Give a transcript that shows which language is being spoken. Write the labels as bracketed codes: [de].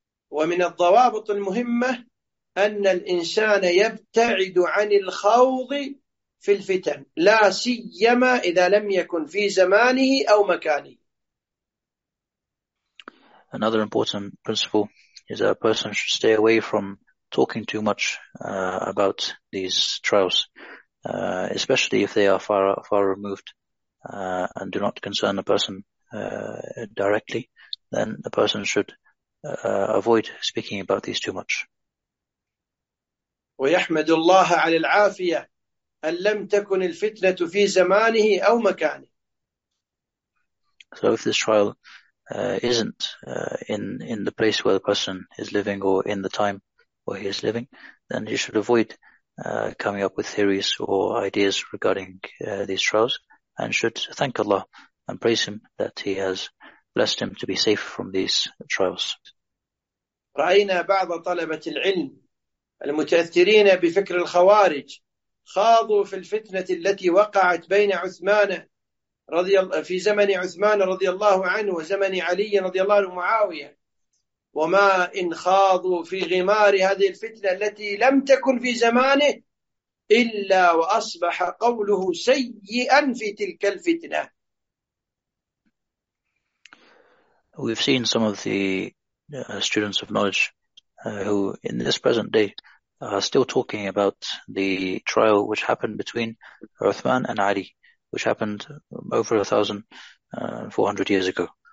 [ar] ومن الضوابط المهمة أن الإنسان يبتعد عن الخوض في الفتن لا سيما إذا لم يكن في زمانه أو مكانه. [en] Another important principle is that a person should stay away from talking too much about these trials, especially if they are far removed and do not concern a person directly. Then a person should avoid speaking about these too much. [ar] ويحمد الله على العافية أن لم تكن الفتنة في زمانه أو مكانه. [en] So if this trial isn't in the place where the person is living or in the time where he is living, then he should avoid coming up with theories or ideas regarding these trials, and should thank Allah and praise Him that He has blessed him to be safe from these trials. [ar] رأينا بعض طلبة العلم المتأثرين بفكر الخوارج خاضوا في الفتنة التي وقعت بين عثمان رضي الله في زمن عثمان رضي الله عنه وزمن علي رضي الله عنه معاوية، وما إن خاضوا في غمار هذه الفتنة التي لم تكن في زمانه إلا وأصبح قوله سيئا في تلك الفتنة. [en] We've seen some of the students of knowledge who in this present day are still talking about the trial which happened between Uthman and Ali, which happened over 1,400 years ago.